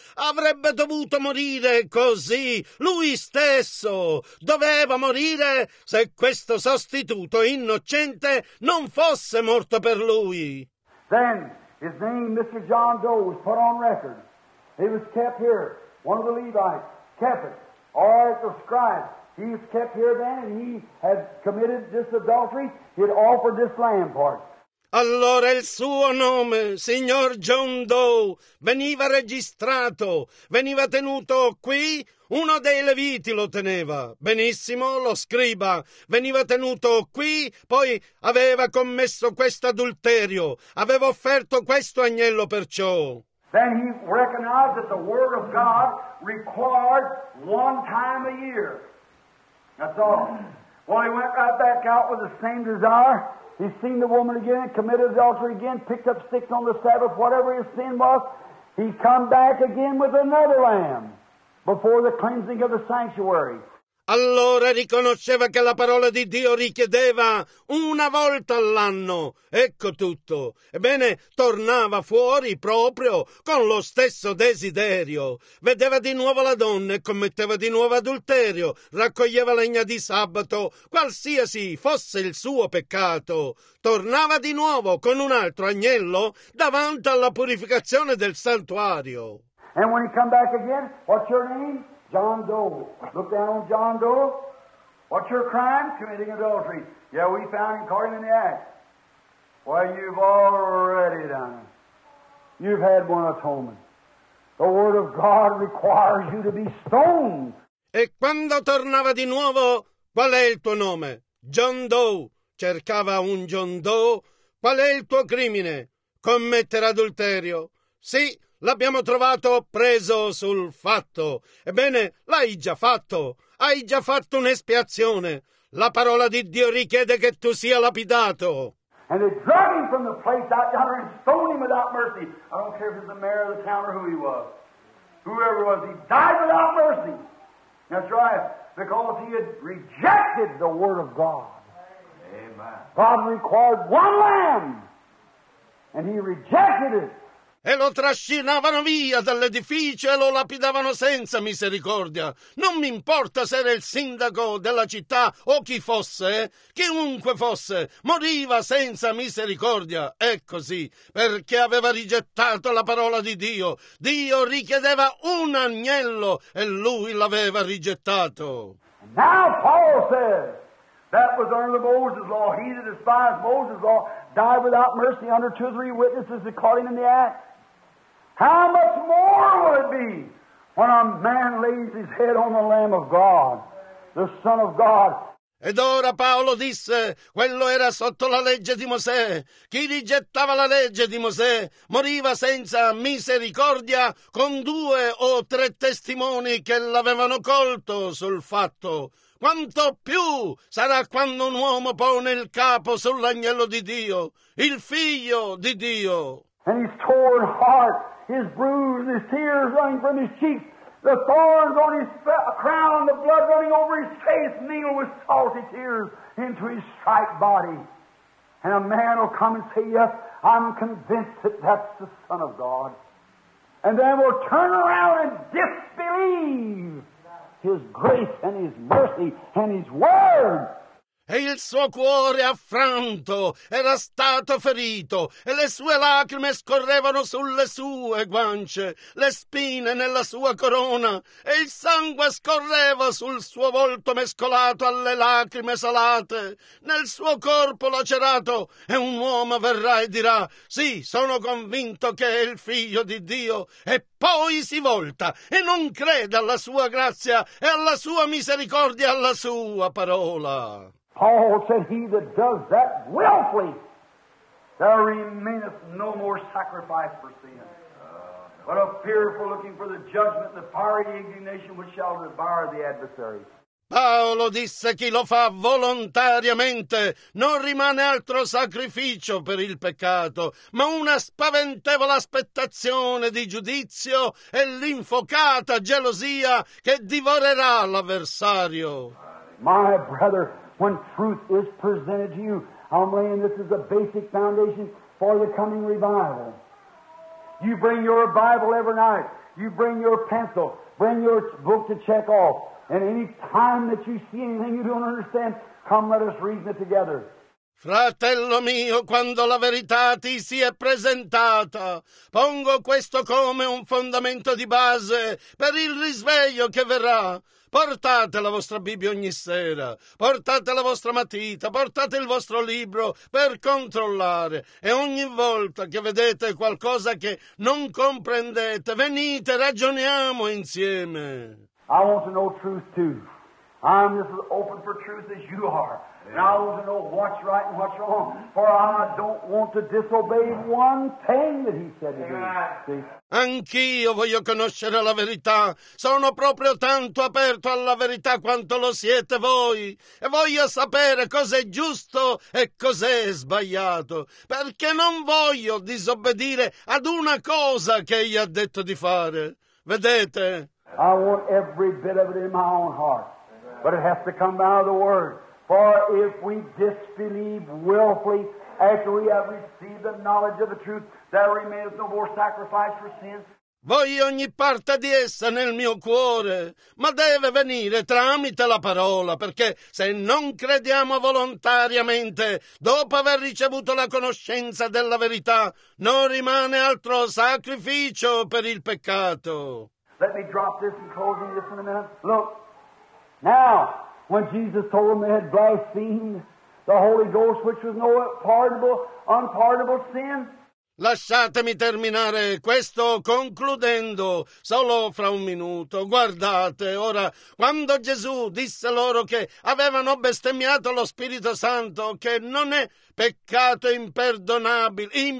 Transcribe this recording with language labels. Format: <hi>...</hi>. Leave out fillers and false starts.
<it>Avrebbe dovuto morire così, lui stesso. Doveva morire se questo sostituto innocente non fosse morto per lui.</it> <en>Then his name, Mr. John Doe, was put on record. He was kept here. One of the Levites kept it. All right, the scribes. He was kept here then, and he had committed this adultery. He had offered this lamb for it.</en> <it>Allora il suo nome, signor John Doe, veniva registrato, veniva tenuto qui. Uno dei leviti lo teneva, benissimo, lo scriba, veniva tenuto qui, poi aveva commesso questo adulterio, aveva offerto questo agnello perciò.</it> <en>Then he recognized that the word of God required one time a year. That's all. Well, he went right back out with the same desire. He seen the woman again, committed adultery again, picked up sticks on the Sabbath, whatever his sin was. He come back again with another lamb. Before the cleansing of the sanctuary.</en> <it>Allora riconosceva che la parola di Dio richiedeva una volta all'anno. Ecco tutto. Ebbene, tornava fuori proprio con lo stesso desiderio. Vedeva di nuovo la donna e commetteva di nuovo adulterio. Raccoglieva legna di sabato, qualsiasi fosse il suo peccato. Tornava di nuovo con un altro agnello davanti alla purificazione del santuario.</it> <en>And when he come back again, what's your name? John Doe. Look down on John Doe. What's your crime? Committing adultery. Yeah, we found him caught in the act. Well, you've already done it. You've had one atonement. The word of God requires you to be stoned.</en> <it>E quando tornava di nuovo, qual è il tuo nome? John Doe. Cercava un John Doe. Qual è il tuo crimine? Commettere adulterio. Sì. L'abbiamo trovato preso sul fatto. Ebbene, l'hai già fatto. Hai già fatto un'espiazione. La parola di Dio richiede che tu sia lapidato.</it> <en>And they drug him from the place out yonder and stoned him without mercy. I don't care if it's the mayor of the town or who he was. Whoever was, he died without mercy. That's right. Because he had rejected the word of God. Amen. God required one lamb. And he rejected it.</en> <it>e lo trascinavano via dall'edificio e lo lapidavano senza misericordia. Non mi importa se era il sindaco della città o chi fosse, chiunque fosse, moriva senza misericordia. È così, perché aveva rigettato la parola di Dio. Dio richiedeva un agnello e lui l'aveva rigettato.</it> <en>Now Paul says, that was under the Moses law. He that despised Moses law died without mercy under two or three witnesses according to the act. How much more will it be when a man lays his head on the Lamb of God, the Son of God?</en> <it>Ed ora Paolo disse, quello era sotto la legge di Mosè. Chi rigettava la legge di Mosè moriva senza misericordia con due o tre testimoni che l'avevano colto sul fatto. Quanto più sarà quando un uomo pone il capo sull'agnello di Dio, il figlio di Dio.</it> <en>And his torn heart, his bruised, his tears running from his cheeks. The thorns on his crown, the blood running over his face, mingled with salty tears into his striped body. And a man will come and say, yes, I'm convinced that that's the Son of God. And then we'll turn around and disbelieve his grace and his mercy and his word.</en> <it>E il suo cuore affranto era stato ferito e le sue lacrime scorrevano sulle sue guance, le spine nella sua corona e il sangue scorreva sul suo volto mescolato alle lacrime salate, nel suo corpo lacerato e un uomo verrà e dirà, sì, sono convinto che è il figlio di Dio e poi si volta e non crede alla sua grazia e alla sua misericordia e alla sua parola.</it> <en>Paul said, he that does that willfully, there remaineth no more sacrifice for sin, but a fearful looking for the judgment, the fiery indignation which shall devour the adversary.</en> <it>Paolo disse, chi lo fa volontariamente non rimane altro sacrificio per il peccato, ma una spaventevole aspettazione di giudizio e l'infocata gelosia che divorerà l'avversario.</it> <en>My brother, when truth is presented to you, I'm laying this as a basic foundation for the coming revival. You bring your Bible every night. You bring your pencil. Bring your book to check off. And any time that you see anything you don't understand, come let us reason it together.</en> <it>Fratello mio, quando la verità ti si è presentata, pongo questo come un fondamento di base per il risveglio che verrà. Portate la vostra Bibbia ogni sera, portate la vostra matita, portate il vostro libro per controllare e ogni volta che vedete qualcosa che non comprendete, venite, ragioniamo insieme.</it> <en>I want to know truth too. I'm just as open for truth as you are. And I want to know what's right and what's wrong. For I don't want to disobey one thing that he said to me.</en> <it>Anch'io voglio conoscere la verità. Sono proprio tanto aperto alla verità quanto lo siete voi. E voglio sapere cos'è giusto e cos'è sbagliato. Perché non voglio disobbedire ad una cosa che egli ha detto di fare. Vedete?</it> <en>I want every bit of it in my own heart. But it has to come out of the Word. For if we disbelieve willfully after we have received the knowledge of the truth, there remains no more sacrifice for sin.</en> <it>Voglio ogni parte di essa nel mio cuore, ma deve venire tramite la parola, perché se non crediamo volontariamente, dopo aver ricevuto la conoscenza della verità, non rimane altro sacrificio per il peccato.</it> <en>Let me drop this and close you just in a minute. Look. Now, when Jesus told them they had blasphemed the Holy Ghost, which was no unpardonable sin.</en> <it>Lasciatemi terminare questo concludendo solo fra un minuto. Guardate, ora, quando Gesù disse loro che avevano bestemmiato lo Spirito Santo, che non è peccato imperdonabile.</it>